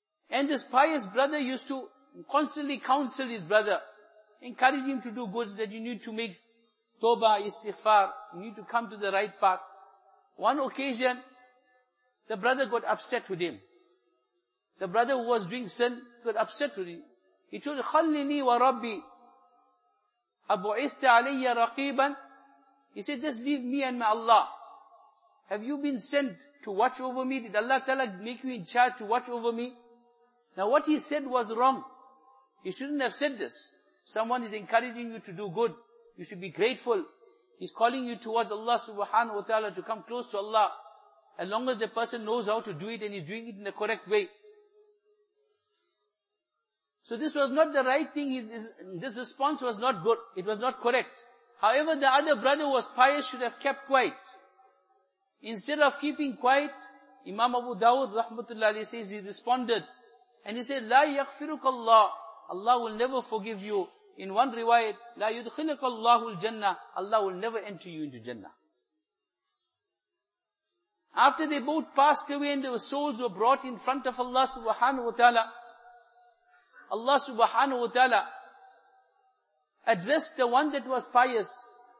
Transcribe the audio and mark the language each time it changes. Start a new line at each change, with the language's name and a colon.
English: And this pious brother used to constantly counsel his brother, encourage him to do good, that you need to make tawbah, istighfar, you need to come to the right path. One occasion, the brother got upset with him. The brother who was doing sin got upset with him. He told,
Arabic: خَلِّنِي وَرَبِّي أَبُعِثْتَ عَلَيَّ رَقِيبًا.
English: He said, just leave me and my Allah. Have you been sent to watch over me? Did Allah Ta'ala make you in charge to watch over me? Now what he said was wrong. He shouldn't have said this. Someone is encouraging you to do good. You should be grateful. He's calling you towards Allah subhanahu wa ta'ala to come close to Allah. As long as the person knows how to do it and he's doing it in the correct way. So this was not the right thing. This response was not good. It was not correct. However, the other brother was pious, should have kept quiet. Instead of keeping quiet, Imam Abu Dawud rahmatullah alayhi says, he responded. And he said,
Arabic: لا يغفرك الله.
English: Allah will never forgive you. In one riwayat,
Arabic: لا يدخلك الله الجنة.
English: Allah will never enter you into Jannah. After they both passed away and their souls were brought in front of Allah subhanahu wa ta'ala, Allah subhanahu wa ta'ala addressed the one that was pious.